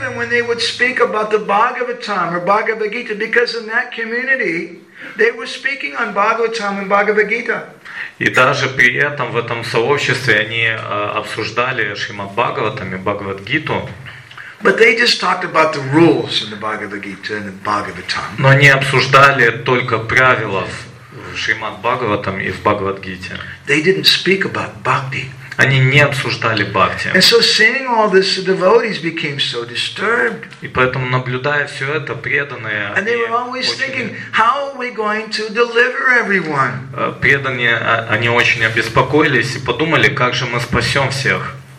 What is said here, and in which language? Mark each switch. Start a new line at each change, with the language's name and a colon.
English: They would speak about the Bhagavatam or Bhagavad Gita because in that community they were speaking on Bhagavatam and Bhagavad Gita.
Russian: И даже при этом в этом сообществе они обсуждали Шримад Бхагаватам и Бхагавад Гиту.
English: But they just talked about the rules in the Bhagavad Gita and the Bhagavatam.
Russian: Но они обсуждали только правила в Шримад Бхагаватам и в Бхагавад Гите.
English: They didn't speak about bhakti.
Russian: Они не обсуждали бхакти.
English: And so seeing all this, the devotees became so disturbed.
Russian: И поэтому, наблюдая все это, преданные,
English: and they were always thinking, how are we going to deliver everyone?
Russian: Преданные, они очень обеспокоились и подумали, как же мы спасем всех?